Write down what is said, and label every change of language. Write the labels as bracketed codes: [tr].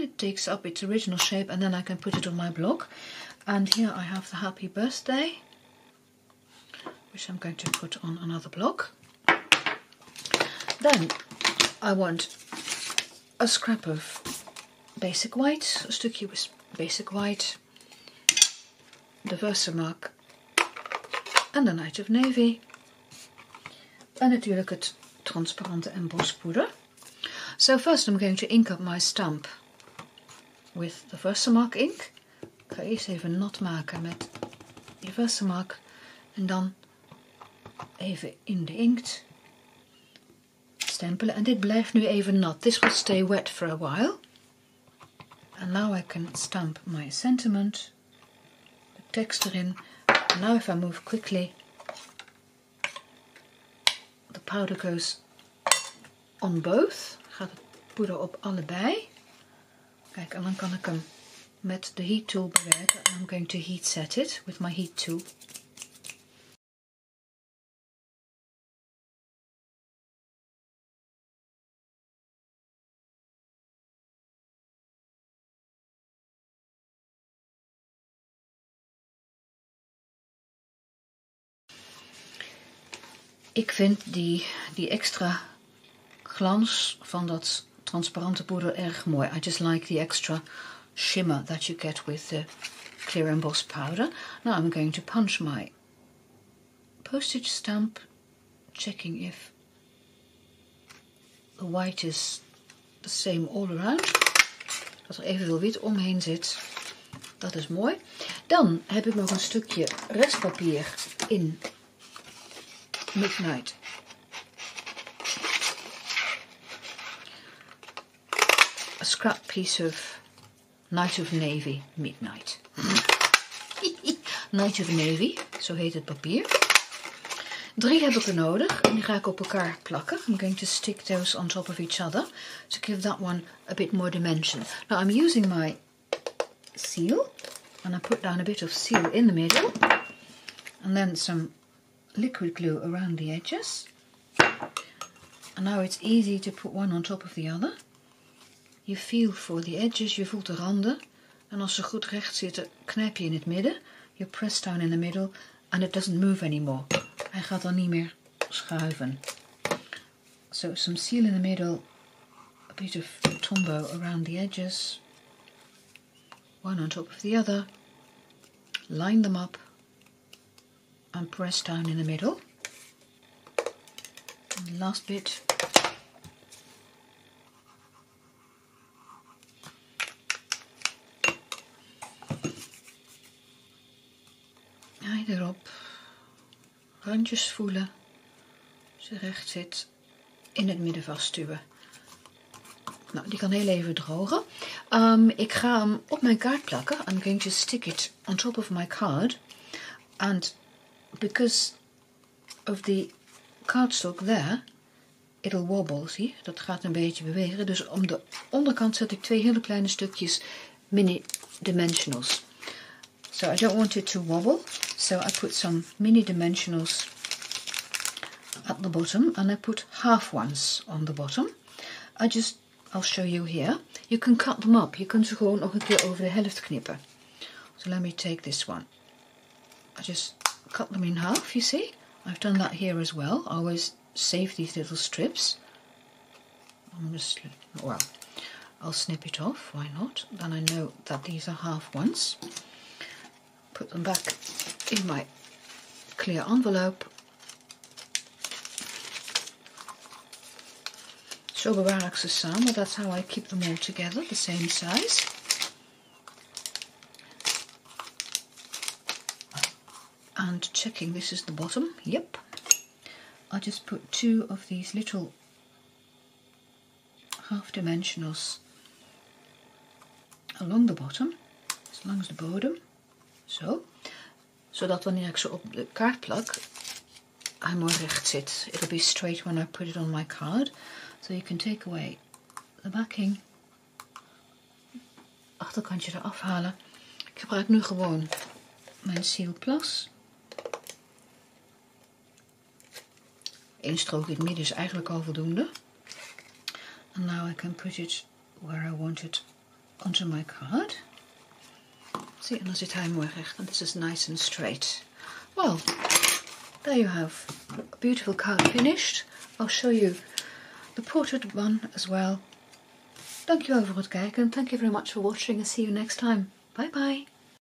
[en] It takes up its original shape and then I can put it on my block. And here I have the happy birthday, which I'm going to put on another block. Then I want a scrap of basic white, a stukje with basic white, the Versamark. [nl] En de Knight of Navy. En natuurlijk het transparante embosspoeder. [en] So first I'm going to ink up my stamp with the Versamark ink. [nl] Ik ga eerst even nat maken met de Versamark. En dan even in de inkt stempelen. En dit blijft nu even nat. [en] This will stay wet for a while. And now I can stamp my sentiment. [nl] De tekst erin. [en] Now if I move quickly, the powder goes on both. [nl] Gaat het poeder op allebei. Kijk, en dan kan ik hem met de heat tool bewerken. [en] I'm going to heat set it with my heat tool. [nl] Ik vind die extra glans van dat transparante poeder erg mooi. [en] I just like the extra shimmer that you get with the clear emboss powder. Now I'm going to punch my postage stamp, checking if the white is the same all around. [nl] Dat er evenveel wit omheen zit. Dat is mooi. Dan heb ik nog een stukje restpapier in Midnight [en] a scrap piece of Knight of Navy Midnight. [nl] Knight of Navy, zo heet het papier. Drie heb ik er nodig en die ga ik op elkaar plakken. [en] I'm going to stick those on top of each other to give that one a bit more dimension. Now I'm using my seal and I put down a bit of seal in the middle and then some liquid glue around the edges. And now it's easy to put one on top of the other. You feel for the edges, you [nl] voelt de randen. En als ze goed recht zitten, knijp je in het midden. [en] You press down in the middle and it doesn't move anymore. [nl] Hij gaat dan niet meer schuiven. [en] So some seal in the middle, a bit of Tombow around the edges. One on top of the other. Line them up and press down in the middle. And last bit. [nl] Erop. Randjes voelen. Ze recht zit. In het midden vastduwen. Nou, die kan heel even drogen. Ik ga hem op mijn kaart plakken. [en] I'm going to stick it on top of my card. And because of the cardstock there, it'll wobble. [nl] Zie, dat gaat een beetje bewegen. Dus om de onderkant zet ik twee hele kleine stukjes mini dimensionals. [en] So I don't want it to wobble. So I put some mini dimensionals at the bottom and I put half ones on the bottom. I'll show you here. You can cut them up. [nl] Je kunt ze gewoon nog een keer over de helft knippen. [en] So let me take this one. I just cut them in half, you see. I've done that here as well. I always save these little strips. I'll snip it off. Why not? Then I know that these are half ones. Put them back in my clear envelope. [nl] Zo bewaar ik ze samen. [en] That's how I keep them all together, the same size. And checking this is the bottom. Yep. I just put two of these little half dimensionals along the bottom, as long as the bottom. [nl] Zo, zodat wanneer ik ze op de kaart plak, hij mooi recht zit. [en] It'll be straight when I put it on my card. So you can take away the backing. [nl] Achterkantje eraf halen. Ik gebruik nu gewoon mijn Seal Plus. Eén strook in het midden is eigenlijk al voldoende. [en] And now I can put it where I want it onto my card. See, and it's time [nl] mooi recht, [en] and this is nice and straight. Well, there you have a beautiful card finished. I'll show you the portrait one as well. Thank you all for [nl] kijken. [en] Thank you very much for watching and see you next time. Bye bye.